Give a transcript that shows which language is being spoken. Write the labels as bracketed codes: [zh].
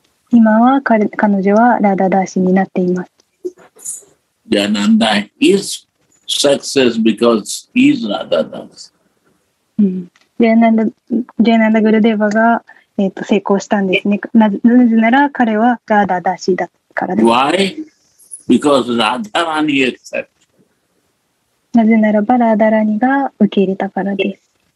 [ja] 今は彼女はラダダーシになっています。 [en] ジャナンダis success because he is ラダダーシ。 [ja] ジャナンダグルデバが成功したんですね。なぜなら彼はラダダーシだからです。 [en] Why? Because Radharani accepted. [ja] なぜならばラダラニが受け入れたからです。